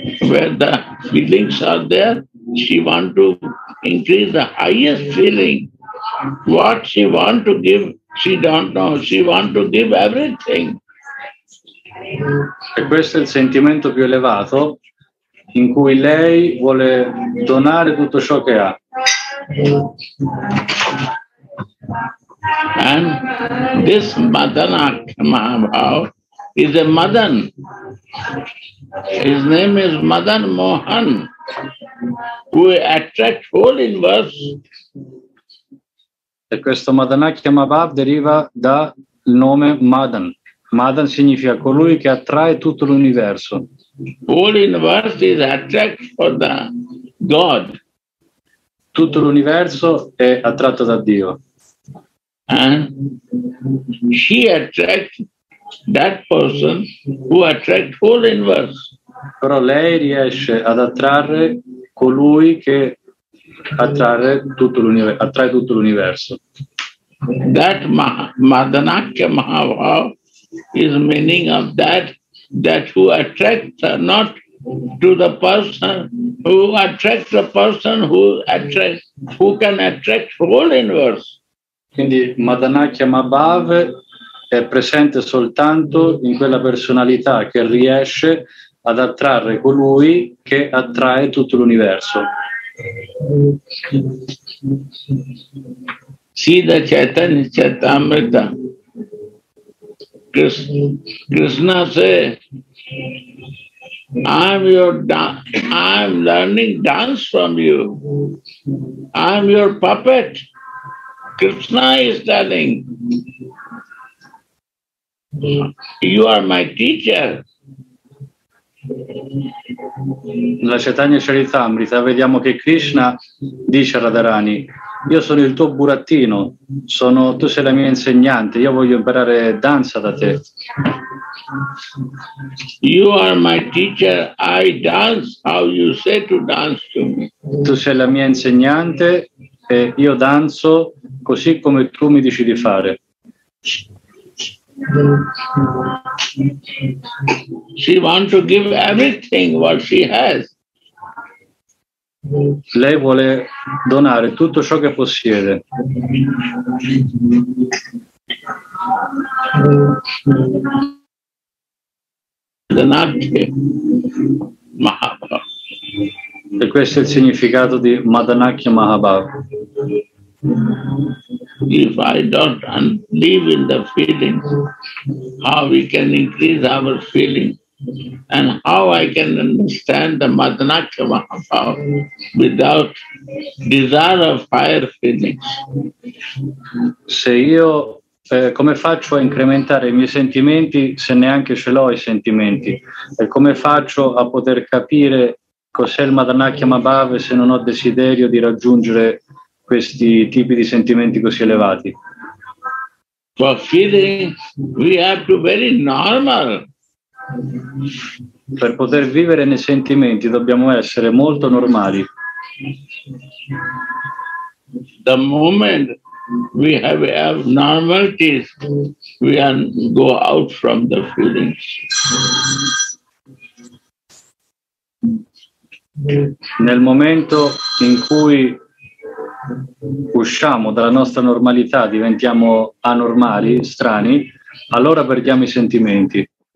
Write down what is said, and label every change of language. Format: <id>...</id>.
<en>Where the feelings are there, she want to increase the highest feeling. What she want to give, she don't know. She want to give everything.</en> <it>E questo è il sentimento più elevato in cui lei vuole donare tutto ciò che ha.</it> <en>And this Madanak Mahabhav is a Madan. His name is Madan Mohan, who attracts whole universe.</en> <it>E questo Madanakya Mahabhav deriva dal nome Madan. Madan significa colui che attrae tutto l'universo.</it> <en>Whole universe is attract for the God.</en> <it>Tutto l'universo è attratto da Dio.</it> <en>And she attracts that person who attracts whole universe.</en> <it>Però lei riesce ad attrarre colui che attrae tutto l'universo.</it> <en>That Madanakya Mahabhav is meaning of that who attracts not to the person who attracts the person who can attract whole universe.</en> <it>Quindi Madanakya Mahabhav è presente soltanto in quella personalità che riesce ad attrarre colui che attrae tutto l'universo.</it> <en>Sida Chaitanya Charitamrita. Krishna says, I'm learning dance from you. I'm your puppet. Krishna is telling, you are my teacher.</en> <it>La Chaitanya Charitamrita, vediamo che Krishna dice a Radharani, io sono il tuo burattino, tu sei la mia insegnante, io voglio imparare danza da te.</it> <en>You are my teacher, I dance how you say to dance to me.</en> <it>Tu sei la mia insegnante e io danzo così come tu mi dici di fare.</it> <en>She wants to give everything what she has.</en> <it>Lei vuole donare tutto ciò che possiede.</it> <en>Madanati Mahabhav.</en> <it>E questo è il significato di Madanakya Mahabhav.</it> <en>If I don't live in the feeling, how we can increase our feeling? And how I can understand the Madanakya Mahabhav without desire of higher feelings?</en> <it>Se io, come faccio a incrementare i miei sentimenti se neanche ce l'ho i sentimenti? E come faccio a poter capire cos'è il Madanakya Mahabhav se non ho desiderio di raggiungere questi tipi di sentimenti così elevati?</it> <en>For feeling, we have to be very normal.</en> <it>Per poter vivere nei sentimenti dobbiamo essere molto normali.</it> <en>The moment we have abnormalities, we can go out from the feelings.</en> <it>Nel momento in cui usciamo dalla nostra normalità, diventiamo anormali, strani, allora perdiamo i sentimenti.</it>